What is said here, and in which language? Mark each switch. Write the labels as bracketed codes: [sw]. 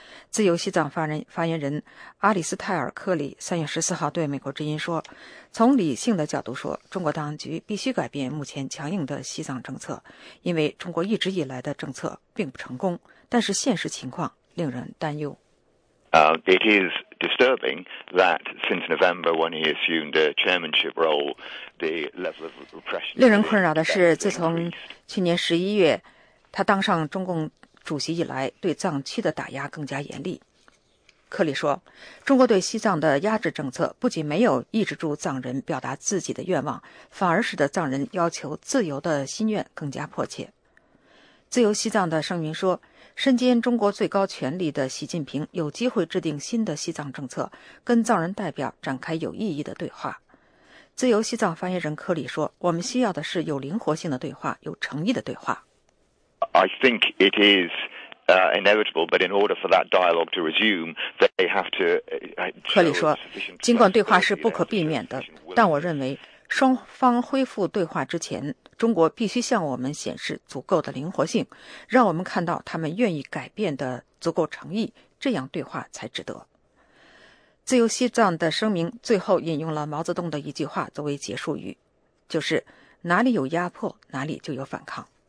[zh] 自由西藏发言人阿里斯泰尔·克里3月14号对美国之音说，从理性的角度说，中国当局必须改变目前强硬的西藏政策，因为中国一直以来的政策并不成功，但是现实情况令人担忧。 [en] It is disturbing that since November, when he assumed a chairmanship role, the level of repression. [zh] 令人困扰的是，自从去年11月他当上中共主席以来，对藏区的打压更加严厉。克里说，中国对西藏的压制政策不仅没有抑制住藏人表达自己的愿望，反而使得藏人要求自由的心愿更加迫切。自由西藏的声明说，身兼中国最高权力的习近平有机会制定新的西藏政策，跟藏人代表展开有意义的对话。自由西藏发言人柯里说，我们需要的是有灵活性的对话，有诚意的对话。 [en] I think it isis inevitable, but in order for that dialogue to resume, they have to. [zh] 柯里说，尽管对话是不可避免的，但我认为双方恢复对话之前，中国必须向我们显示足够的灵活性，让我们看到他们愿意改变的足够诚意，这样对话才值得。自由西藏的声明最后引用了毛泽东的一句话作为结束语，就是哪里有压迫，哪里就有反抗。